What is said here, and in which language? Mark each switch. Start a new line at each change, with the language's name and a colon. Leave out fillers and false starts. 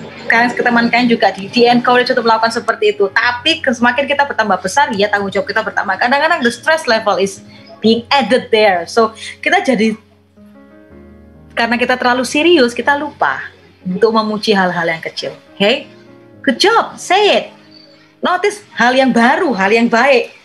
Indonesian: Kalian keteman kalian juga di encourage untuk melakukan seperti itu. Tapi semakin kita bertambah besar, ya tanggung jawab kita bertambah.
English: Kadang-kadang the stress level is being added there.
Indonesian: So, kita jadi, karena kita terlalu serius, kita lupa untuk memuji hal-hal yang kecil. Hey, good job, say it. Notice hal yang baru, hal yang baik.